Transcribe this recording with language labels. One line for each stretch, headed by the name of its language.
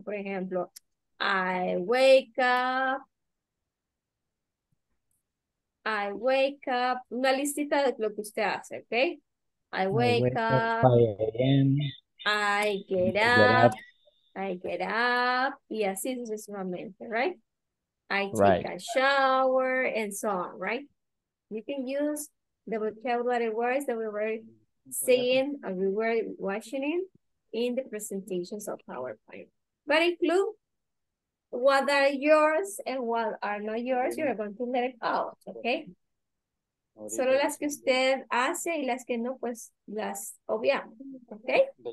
Spanish: Por ejemplo,
English: I wake up,
Spanish: una listita de lo que usted hace, ¿ok?
English: I wake up, I get up,
Spanish: y así sucesivamente,
English: ¿right? I take a shower, and so on, ¿right? You can use the vocabulary words that we were seeing, or we were watching in the presentations of PowerPoint. But include what are yours and what are not yours, you're going to let it out, okay?
Spanish: Solo las que usted hace y las que no, pues las obviamos, okay?